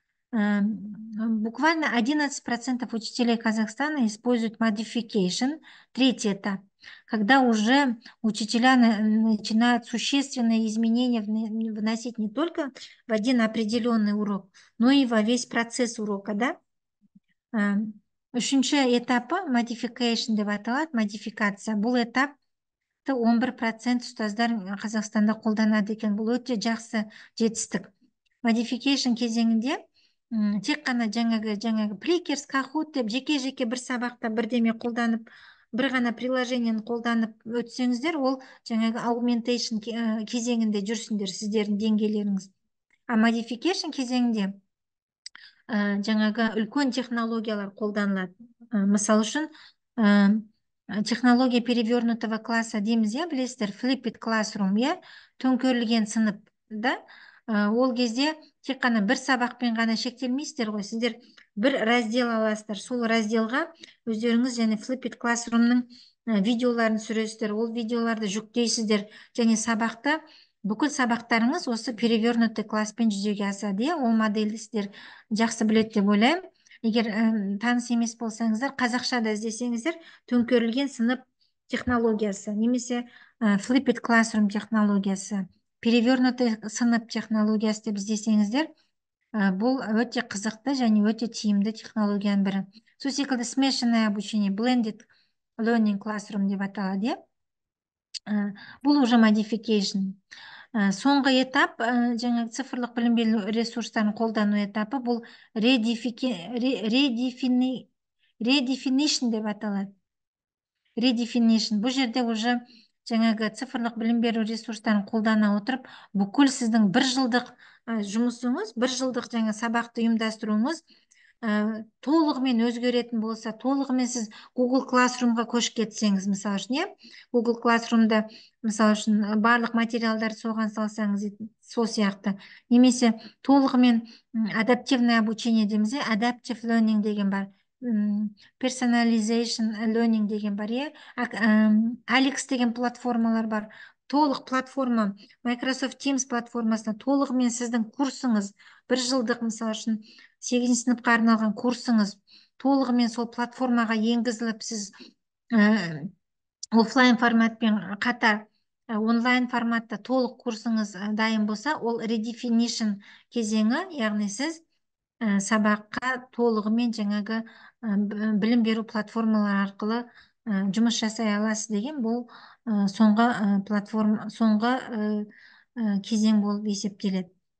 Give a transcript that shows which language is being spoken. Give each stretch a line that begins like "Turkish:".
Russian: Буквально 11% учителей Казахстана используют modification, третий этап, когда уже учителя начинают существенные изменения вносить не только в один определенный урок, но и во весь процесс урока, да?
Kazakh: Үшінші этапы modification деп аталады, модификация. Бұл этап 11% ұстаздар Қазақстанда қолданады екен. Бұл өте жақсы жетістік. Modification кезеңінде тек қана жаңағы Plickers, Kahoot деп жеке жеке бір сабақта бірдеме қолданып, бір ғана приложениені қолданып өтсеңіздер, ол жаңағы augmentation кезеңінде жүрсіңдер, сіздердің деңгейлеріңіз. А modification кезеңінде жаңағы үлкен технологиялар қолданылады. Мысалы үшін
Russian: технология перевернутого класса
Kazakh: дейміз, иә, білесіздер,
English: flipped classroom,
Kazakh: иә, төңкерілген сынып, да? Ол кезде тек қана бір сабақпен ғана шектелмейсіздер ғой. Сіздер бір раздел аласыздар. Сол разделға өздеріңіз және Flipped Classroom-ның видеоларын сүресіздер. Ол видеоларды жүктейсіздер. Және сабақта бүкіл сабақтарыңыз осы перевернутый класспен жүзеге асады. Иә, ол модельді сіздер жақсы біледі деп ойлаймын. Егер таныс емес болсаңыздар, қазақша да іздесеңіздер, төңкерілген сынып технологиясы немесе Flipped Classroom технологиясы. Перевернутый сынып технологиясы деп іздесеңіздер, бұл өте қызықты және өте тиімді технологияның бірі. Сол секілді
Russian: смешанное обучение,
English: blended learning classroom
Kazakh: деп аталады, иә? Бұл уже modification. Соңғы этап, жаңа цифрлық білім беру ресурстарын қолдану этапы, бұл redefinition деп аталады. Redefinition. Бұл жерде уже жаңағы цифрлық білім беру ресурстарын қолдана отырып, бүкіл сіздің бір жылдық жұмысыңыз, бір жылдық жаңа сабақты ұйымдастыруыңыз толығымен өзгеретін болса, толығымен сіз Google Classroom-ға көшіп кетсеңіз, мысалы үшін, иә? Google Classroom-да, мысалы үшін, барлық материалдар соған салсаңыз, сол сияқты. Немесе толығымен
Russian: адаптивное обучение
Kazakh: дейміз,
English: adaptive learning
Kazakh: деген бар.
English: Personalization learning
Kazakh: деген бар, иә? Alex деген платформалар бар. Толық платформа, Microsoft Teams платформасына толығымен сіздің курсыңыз, бір жылдық мысалы үшін 8 сыныпқа арналған курсыңыз толығымен сол платформаға енгізіліп, сіз офлайн форматпен қатар онлайн форматта толық курсыңыз дайын болса, ол redefinition кезеңі, яғни сіз сабаққа толығымен жаңағы білім беру платформалары арқылы жұмыс жасай аласыз деген бұл соңғы кезең болып есептеледі.